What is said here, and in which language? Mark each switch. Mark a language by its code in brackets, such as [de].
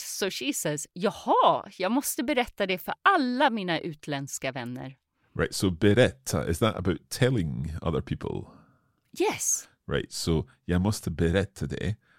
[sv] So she says, jaha, jag måste berätta det för alla mina utländska vänner. [en] Right. So berätta, is that about telling other people? Yes. Right. [sv] So jag måste berätta det.